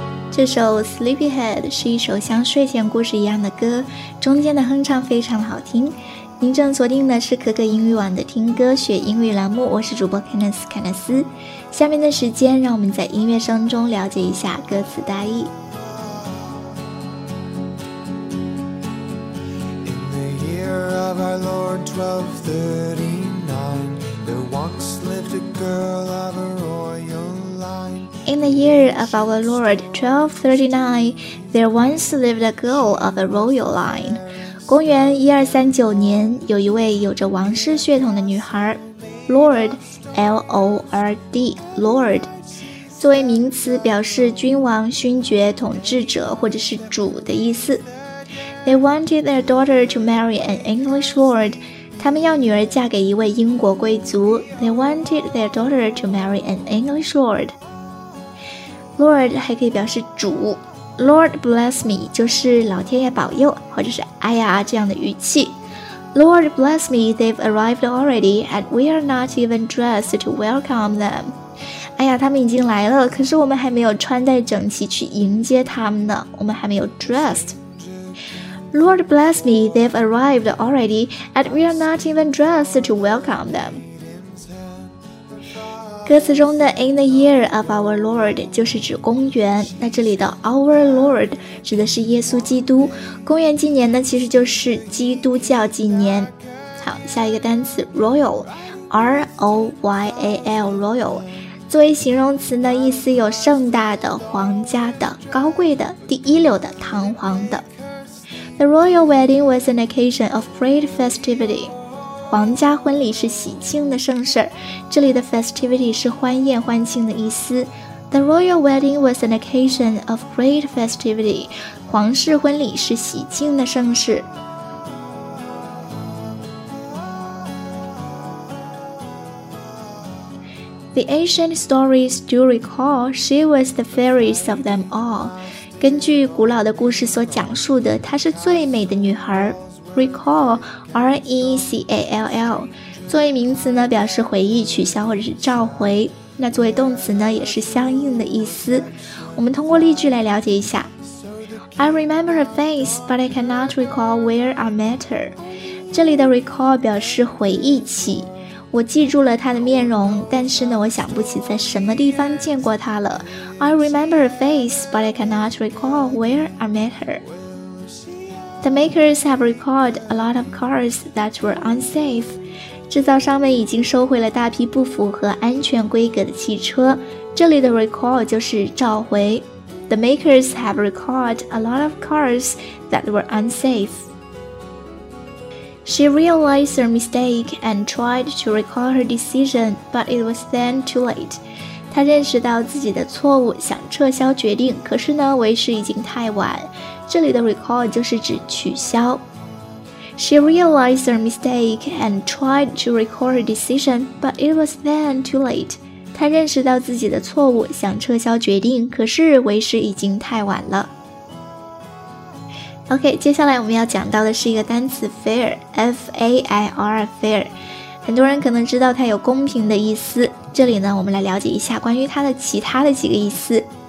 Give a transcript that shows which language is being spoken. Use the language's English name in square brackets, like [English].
[Chinese] 这首 Sleepyhead 是一首像睡前故事一样的歌，中间的哼唱非常好听。您正锁定的是可可英语网的听歌学英语栏目，我是主播 Candice 凯纳斯。下面的时间让我们在音乐声中了解一下歌词大意。 [English] In the year of our Lord 1239, there once lived a girl of a royal line In the year of our Lord 1239, there once lived a girl of a royal line. [Chinese] 公元1239年，有一位有着王室血统的女孩 Lord L-O-R-D Lord， 作为名词表示君王、勋爵、统治者或者是主的意思。 [English] They wanted their daughter to marry an English lord， [Chinese] 他们要女儿嫁给一位英国贵族。 [English] They wanted their daughter to marry an English lord。 [Chinese] Lord 还可以表示主， [English] Lord bless me [Chinese] 就是老天爷保佑，或者是哎呀这样的语气。 [English] Lord bless me, they've arrived already and we are not even dressed to welcome them。 [Chinese] 哎呀，他们已经来了，可是我们还没有穿戴整齐去迎接他们呢，我们还没有 dressed。 [English] Lord bless me, they've arrived already and we are not even dressed to welcome them。 [Chinese] 歌词中的 [English] in the year of our Lord [Chinese] 就是指公元，那这里的 our Lord 指的是耶稣基督，公元纪年呢其实就是基督教纪年。好，下一个单词 royal， R-O-Y-A-L royal， 作为形容词呢意思有盛大的、皇家的、高贵的、第一流的、堂皇的。 [English] The royal wedding was an occasion of great festivity， [Chinese] 皇家婚礼是喜庆的盛事，这里的 festivity 是欢宴欢庆的意思。 [English] The royal wedding was an occasion of great festivity， [Chinese] 皇室婚礼是喜庆的盛事。 [English] The ancient stories do recall she was the fairest of them all， [Chinese] 根据古老的故事所讲述的，她是最美的女孩。 Recall, R-E-C-A-L-L， 作为名词呢表示回忆、取消或者是召回，那作为动词呢也是相应的意思。我们通过例句来了解一下。 [English] I remember a face but I cannot recall where I met her， [Chinese] 这里的 recall 表示回忆起，我记住了她的面容，但是呢我想不起在什么地方见过她了。 [English] I remember a face but I cannot recall where I met her。 The makers have recalled a lot of cars that were unsafe. [Chinese] 制造商们已经收回了大批不符合安全规格的汽车。这里的 recall 就是召回。 [English] The makers have recalled a lot of cars that were unsafe. She realized her mistake and tried to recall her decision, but it was then too late. [Chinese] 她认识到自己的错误，想撤销决定，可是呢，为时已经太晚。这里的 recall 就是指取消。 [English] She realized her mistake and tried to recall her decision, but it was then too late. [Chinese] 她认识到自己的错误，想撤销决定，可是为时已经太晚了。 OK， 接下来我们要讲到的是一个单词 fair， F-A-I-R， fair， 很多人可能知道它有公平的意思，这里呢我们来了解一下关于它的其他的几个意思。